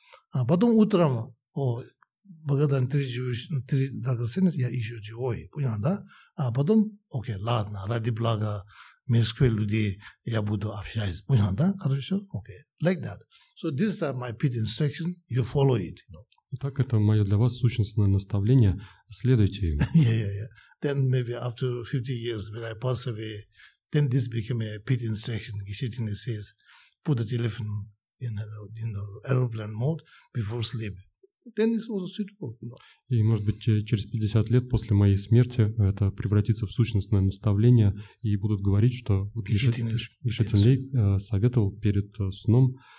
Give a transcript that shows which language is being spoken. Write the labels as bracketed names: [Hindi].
[Russian] А потом утром, о, благодарен три драгоценных, я еще живой, понял, да? А потом, окей, ладно, ради блага мирской людей я буду общаться, понял, да, хорошо? [English] Окей, like that. So this is my pit instruction. You follow it. You know. [Russian] Итак, это мое для вас сущностное наставление. Следуйте ему. [English] Yeah. Then maybe after 50 years when I pass away, then this became a pit instruction. He sitting and says, put the telephone in the aeroplane mode before sleep. then it's also suitable, you know. [Russian] И, может быть, через 50 лет после моей смерти это превратится в сущностное наставление, и будут говорить, что вот Ришатинлей советовал перед сном...